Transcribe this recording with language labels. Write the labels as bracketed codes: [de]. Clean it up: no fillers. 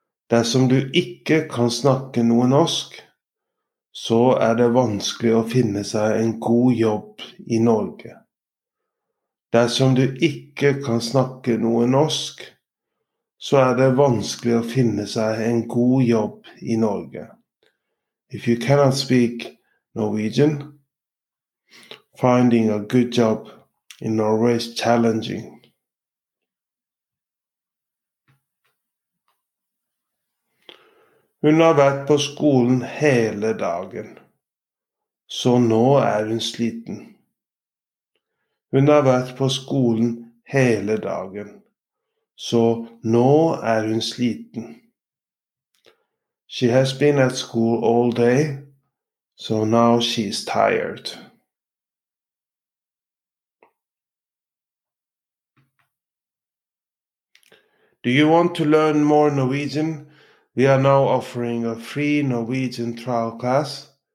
[no] Dersom du ikke kan snakke noe norsk, så det vanskelig å finne seg en god jobb I Norge. Dersom du ikke kan snakke noe norsk, så det vanskelig å finne seg en god jobb I Norge. [en] If you cannot speak Norwegian, finding a good job in Norway is challenging. [no] Hun har vært på skolen hele dagen, så nå hun sliten. Hun har vært på skolen hele dagen, så nå hun sliten. [en] She has been at school all day, so now she's tired. Do you want to learn more Norwegian? We are now offering a free Norwegian trial class.